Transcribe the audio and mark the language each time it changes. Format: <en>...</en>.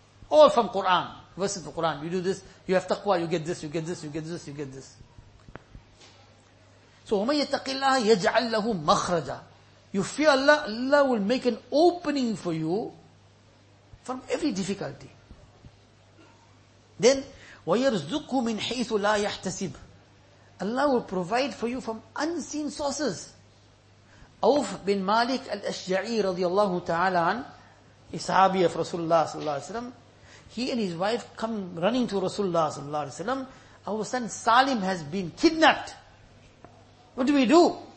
<en>All from Quran, verses of Quran. You do this, you have taqwa, you get this, you get this, you get this, you get this.</en> <ar>So, وَمَنْ يَتَّقِ اللَّهَ يَجْعَلْ لَهُ مَخْرَجًا.</ar> <en>You fear Allah, Allah will make an opening for you from every difficulty.</en> <ar>Then, وَيَرْزُقُ مِنْ حَيْثُ لَا يَحْتَسِبْ.</ar> <en>Allah will provide for you from unseen sources. Auf bin Malik al-Ashja'i radiallahu ta'ala an, a sahabi of Rasulullah sallallahu alayhi wa sallam, he and his wife come running to Rasulullah sallallahu alaihi wasallam. Our son Salim has been kidnapped. What do we do?</en>